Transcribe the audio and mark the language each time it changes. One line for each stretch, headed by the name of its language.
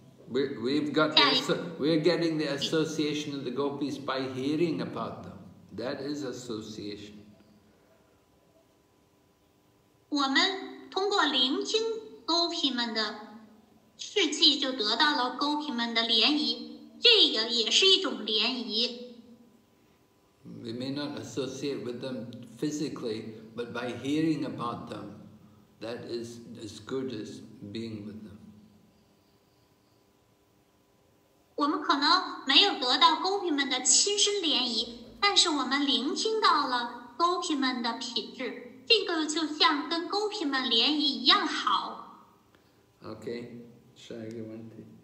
English: We're getting the association of the gopis by hearing about them. That is association.
Chinese: 我们通过聆听勾皮们的事迹，就得到了勾皮们的联谊。这个也是一种联谊。
English: We may not associate with them physically, but by hearing about them, that is as good as being with them.
Chinese: 我们可能没有得到勾皮们的亲身联谊，但是我们聆听到了勾皮们的品质，这个就像跟勾皮们联谊一样好。 OK， 下一个问题。